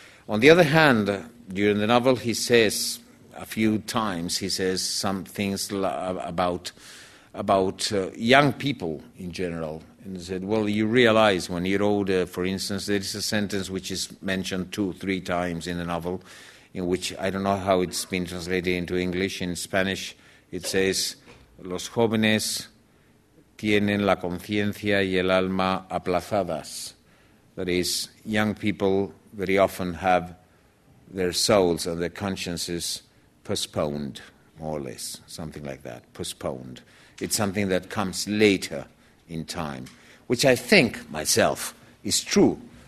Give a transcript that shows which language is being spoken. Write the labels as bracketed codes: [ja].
[en] On the other hand, during the novel, he says a few times, he says some things about young people in general, and said, well, you realize when you're older, for instance, there is a sentence which is mentioned 2-3 times in the novel, in which I don't know how it's been translated into English. In Spanish, it says, [es] los jóvenes tienen la conciencia y el alma aplazadas. [en] That is, young people very often have their souls and their consciences postponed, more or less, something like that, postponed. It's something that comes later in time, which I think myself is true.